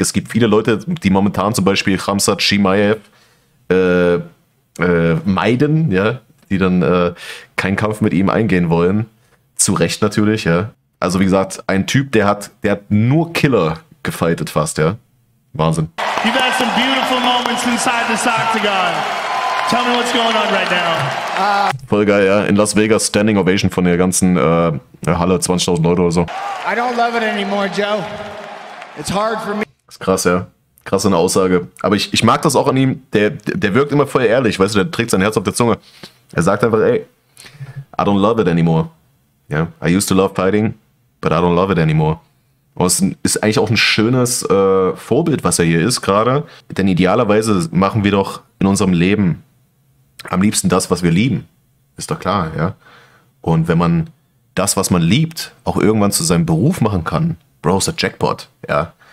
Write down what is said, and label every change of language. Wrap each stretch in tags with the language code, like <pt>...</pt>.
<de>Es gibt viele Leute, die momentan zum Beispiel Khamzat Chimaev meiden, ja, die dann keinen Kampf mit ihm eingehen wollen. Zu Recht natürlich, ja. Also wie gesagt, ein Typ, der hat nur Killer gefightet fast, ja. Wahnsinn.</de> <en>You've had some beautiful moments inside this Octagon. Tell me what's going on right now.</en> <de>Voll geil, ja. In Las Vegas, Standing Ovation von der ganzen Halle, 20.000 Leute oder so.</de> <en>I don't love it anymore, Joe. It's hard for me.</en> <de>Das ist krass, ja. Krass, eine Aussage. Aber ich mag das auch an ihm. Der wirkt immer voll ehrlich, weißt du, der trägt sein Herz auf der Zunge. Er sagt einfach, ey,</de> <en>I don't love it anymore. Yeah. I used to love fighting, but I don't love it anymore.</en> <de>Und es ist eigentlich auch ein schönes Vorbild, was er hier ist gerade. Denn idealerweise machen wir doch in unserem Leben am liebsten das, was wir lieben. Ist doch klar, ja. Und wenn man das, was man liebt, auch irgendwann zu seinem Beruf machen kann, Bro, ist der Jackpot, ja.</de>